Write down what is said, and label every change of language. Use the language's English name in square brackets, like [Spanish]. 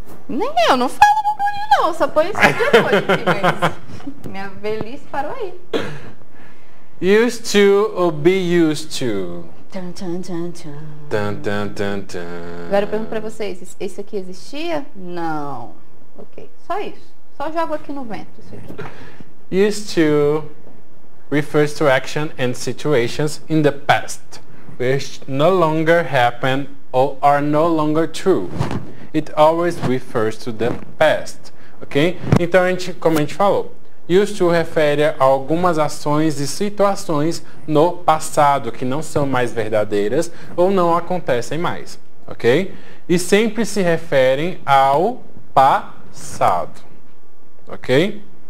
[Portuguese] Nem eu, não falo. Não, só põe isso depois aqui, mas... Minha velhice parou aí. Used to ou be used to? Tum, tum, tum, tum. Tum, tum, tum, tum. Agora eu pergunto pra vocês, isso aqui existia? Não. Ok, só isso. Só jogo aqui no vento isso aqui. [English] Used to refers to action and situations in the past, which no longer happen or are no longer true. It always refers to the past, ok? [Portuguese] Então, como a gente falou, used to refere a algumas ações e situações no passado que não são mais verdadeiras ou não acontecem mais, ok? E sempre se referem ao passado, ok?